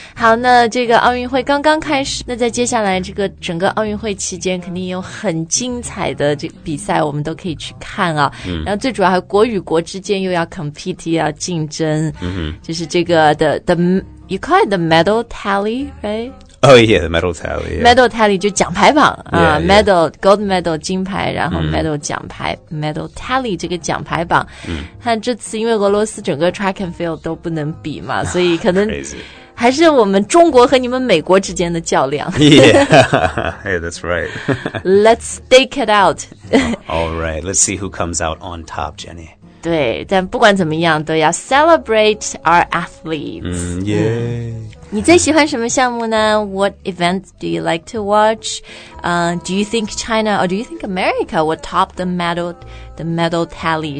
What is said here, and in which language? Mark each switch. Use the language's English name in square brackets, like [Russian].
[Chinese] 好那这个奥运会刚刚开始那在接下来这个整个奥运会期间肯定有很精彩的这个比赛我们都可以去看啊、 mm-hmm. 然后最主要还国与国之间又要 compete 要竞争、 mm-hmm. 就是这个 [English] the you call it the medal tally, right? Oh yeah, the medal tally、yeah. [Chinese] Medal tally 就奖牌榜 [English] yeah, yeah. Medal, gold medal [Chinese] 金牌然后 [English] medal 奖牌、mm-hmm. [Chinese] Medal tally 这个奖牌榜、 mm-hmm. 这次因为俄罗斯整个 track and field 都不能比嘛所以可能、 [English] Crazy. [Chinese] 还是我们中国和你们美国之间的较量 [English] Yeah, hey, that's right Let's stake it out All right, let's see who comes out on top, Jenny [Chinese] 对，但不管怎么样，都要 [English] celebrate our athletes。嗯，耶。 [Chinese] 你最喜欢什么项目呢 [English] What events do you like to watch? Do you think China or do you think America will top the medal tally?